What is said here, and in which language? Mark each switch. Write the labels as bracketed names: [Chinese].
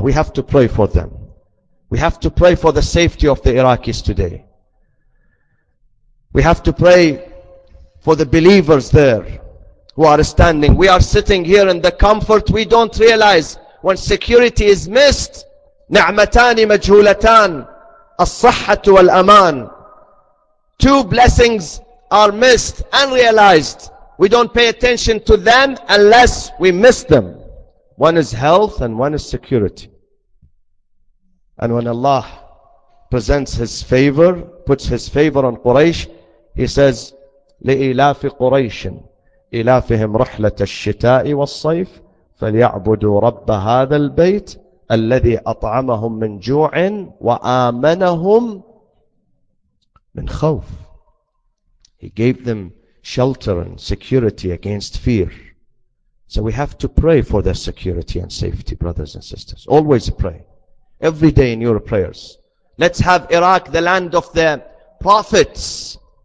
[English] We have to pray for them. We have to pray for the safety of the Iraqis today. We have to pray for the believers there who are standing. We are sitting here in the comfort. We don't realize when security is missed. [Arabic] نعمتان مجهولتان الصحة والأمان. [English] Two blessings are missed, unrealized. We don't pay attention to them unless we miss them. One is health and one is security. And when Allah presents His favor, puts His favor on Quraysh, He says, [Arabic] لِإِلَافِ قُرَيْشٍ إِلَافِهِمْ رَحْلَةَ الشِّتَاءِ وَالصَّيْفِ فَلْيَعْبُدُوا رَبَّ هَذَا الْبَيْتِ الَّذِي أَطْعَمَهُمْ مِنْ جُوعٍ وَآمَنَهُمْ مِنْ خَوْفٍ. [English] He gave them shelter and security against fear. So we have to pray for their security and safety, brothers and sisters. Always pray. Every day in your prayers. Let's have Iraq the land of the prophets.